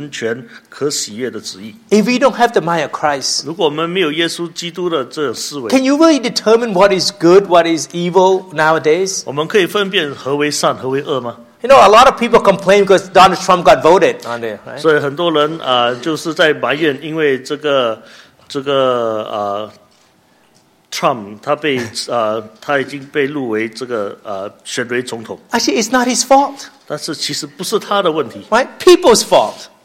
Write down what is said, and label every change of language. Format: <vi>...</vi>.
<zh>所以在这里呢，我们可以查验何为神善良、纯全、可喜悦的旨意。If</zh> <en>we don't have the mind of Christ,</en> <zh>如果我们没有耶稣基督的这种思维，</zh> <en>can you really determine what is good, what is evil nowadays?</en> <zh>我们可以分辨何为善、何为恶吗？</zh> <en>You know, a lot of people complain because Donald Trump got voted on there, right?</en> <zh>所以很多人就是在埋怨，因为这个。 Trump, 他已经被入围这个选为总统。</zh> <en>Actually, it's not his fault.</en> <zh>但是其实不是他的问题。</zh> <en>Right? People's fault.</en>